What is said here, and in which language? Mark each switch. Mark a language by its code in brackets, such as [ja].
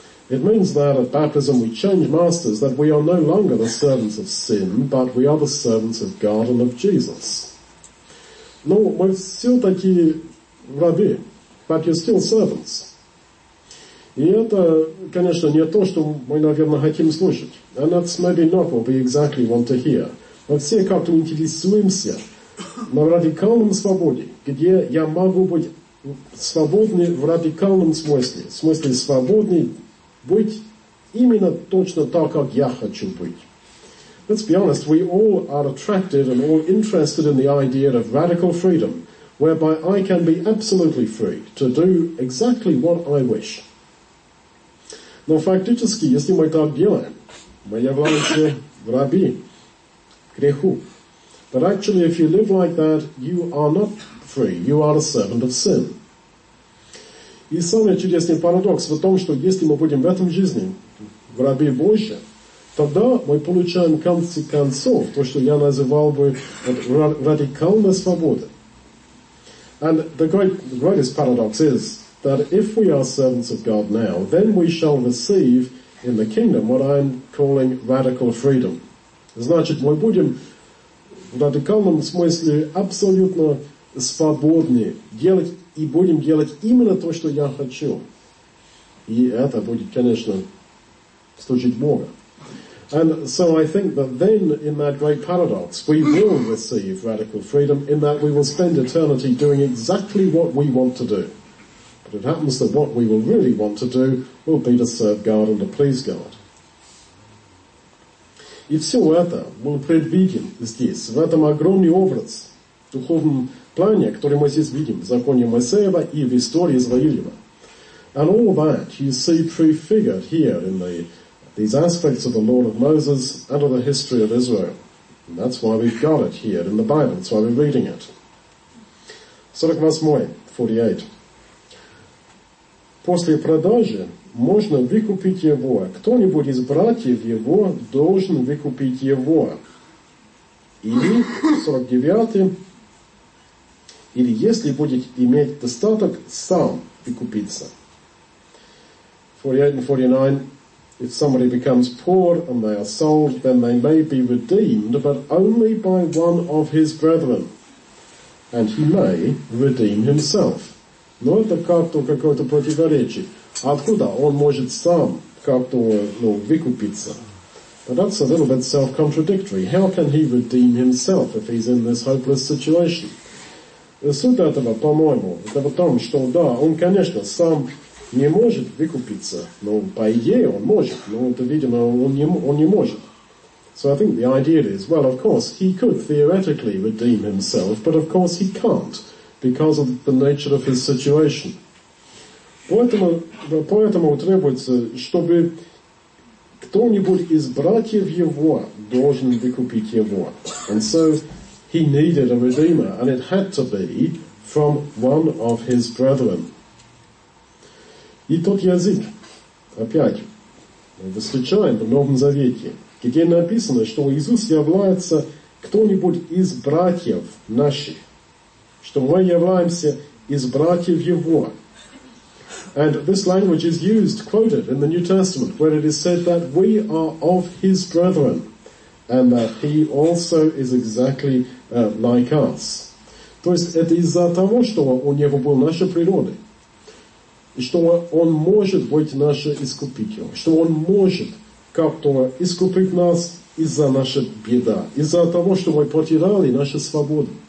[en] It means that at baptism we change masters, that we are no longer the servants of sin, but we are the servants of God and of Jesus. [ru] Но мы все-таки рабы, [en] but you're still servants. [ru] И это, конечно, не то, что мы, наверное, хотим слушать. [en] And that's maybe not what we exactly want to hear. [ru] Мы все как-то интересуемся на радикальном свободе, где я могу быть свободный в радикальном смысле. В смысле свободный быть именно точно так, как я хочу быть. [en] Let's be honest, we all are attracted and all interested in the idea of radical freedom, whereby I can be absolutely free to do exactly what I wish. [ru] Но фактически, если мы так делаем, мы являемся рабы греху. [en] But actually, if you live like that, you are not free, you are a servant of sin. [ru] И самый чудесный парадокс в том, что если мы будем в этом жизни, в рабе Божьи, тогда мы получаем в конце концов то, что я называл бы радикальной свободой. [en] And the greatest paradox is that if we are servants of God now, then we shall receive in the kingdom what I'm calling radical freedom. [ru] Значит, мы будем в радикальном смысле абсолютно свободны делать и будем делать именно то, что я хочу. И это будет, конечно, служить Богу. [en] And so I think that then in that great paradox, we will receive radical freedom in that we will spend eternity doing exactly what we want to do. But it happens that what we will really want to do will be to serve God and to please God. [ru] И все это мы предвидим здесь, в этом огромный образ в духовном плане, который мы здесь видим в законе Моисеева и в истории Израилева. [en] And all that you see prefigured here in these aspects of the law of Moses and of the history of Israel. And that's why we've got it here in the Bible, that's why we're reading it. 48. [ru] После продажи можно выкупить его. Кто-нибудь из братьев его должен выкупить его. Или, 49. Или если будет иметь достаток, сам выкупиться. [en] 48 and 49. If somebody becomes poor and they are sold, then they may be redeemed, but only by one of his brethren. And he may redeem himself. [ru] Но это как-то какое-то противоречие. Откуда он может сам как-то, ну, выкупиться? [en] But that's a little bit self-contradictory. How can he redeem himself if he's in this hopeless situation? [ru] Суть этого, по-моему, это в том, что да, он, конечно, сам не может выкупиться. Ну, по идее, он может, но это видимо, он не может. [en] So I think the idea is, well, of course, he could theoretically redeem himself, but of course he can't, because of the nature of his situation. [ru] Поэтому требуется, чтобы кто-нибудь из братьев его должен выкупить его. [en] And so he needed a redeemer, and it had to be from one of his brethren. [ru] И тот язык, опять, мы встречаем в Новом Завете, где написано, что Иисус является кто-нибудь из братьев наших, что мы являемся из братьев Его. [en] And this language is used, quoted in the New Testament, where it is said that we are of His brethren, and that He also is exactly like us. [ru] То есть это из-за того, что у Него был наша природа, и что Он может быть нашим искупителем, что Он может как-то искупить нас из-за нашей беды, из-за того, что мы потеряли нашу свободу.